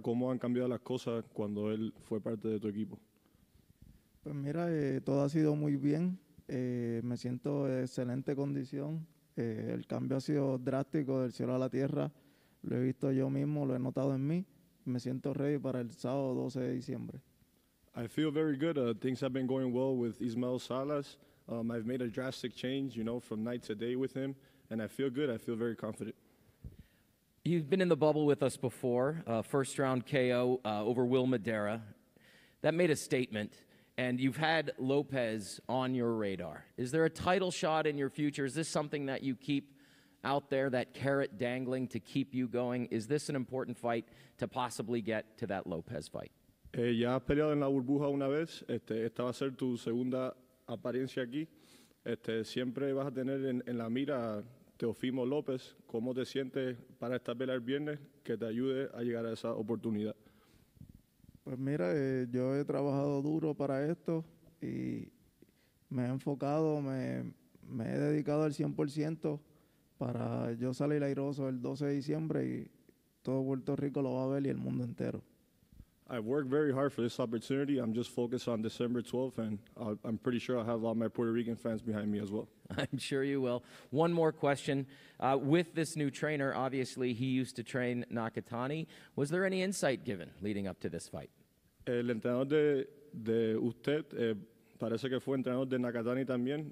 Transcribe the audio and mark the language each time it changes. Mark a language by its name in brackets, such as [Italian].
[Spanish] ¿Cómo han cambiado las cosas cuando él fue parte de tu equipo? Pues mira, todo ha sido muy bien. Me siento en excelente condición. El cambio ha sido drástico del cielo a la tierra. Lo he visto yo mismo, lo he notado en mí. Me siento ready para el sábado 12 de diciembre. [English] I feel very good. Things have been going well with Ismael Salas. I've made a drastic change, you know, from night to day with him. And I feel good. I feel very confident. You've been in the bubble with us before. First round KO over Will Madera. That made a statement. And you've had Lopez on your radar. Is there a title shot in your future? Is this something that you keep out there, that carrot dangling to keep you going? Is this an important fight to possibly get to that Lopez fight? [Spanish] Ya has peleado en la burbuja una vez. Esta va a ser tu segunda apariencia aquí. Siempre vas a tener en la mira Teofimo López. ¿Cómo te sientes para esta pelea el viernes que te ayude a llegar a esa oportunidad? Pues mira, yo he trabajado duro para esto y me he enfocado, me he dedicado al 100% para yo salir airoso el 12 de diciembre y todo Puerto Rico lo va a ver y el mundo entero. [English] I've worked very hard for this opportunity. I'm just focused on December 12th, and I'm pretty sure I have all my Puerto Rican fans behind me as well. I'm sure you will. One more question. With this new trainer, obviously, he used to train Nakatani. Was there any insight given leading up to this fight? [Spanish] El entrenador de usted parece que fue entrenador de Nakatani también.